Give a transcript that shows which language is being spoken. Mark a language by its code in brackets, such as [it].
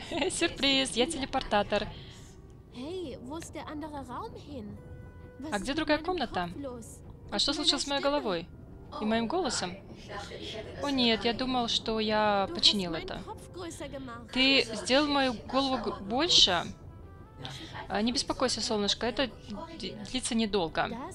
[ru] Сюрприз, я телепортатор. [de] Эй, wo ist der andere Raum hin? [ru] А где другая комната? А что случилось с моей головой? И моим голосом? О нет, я думал, что я починил это. Ты сделал мою голову больше? Не беспокойся, солнышко, это длится недолго.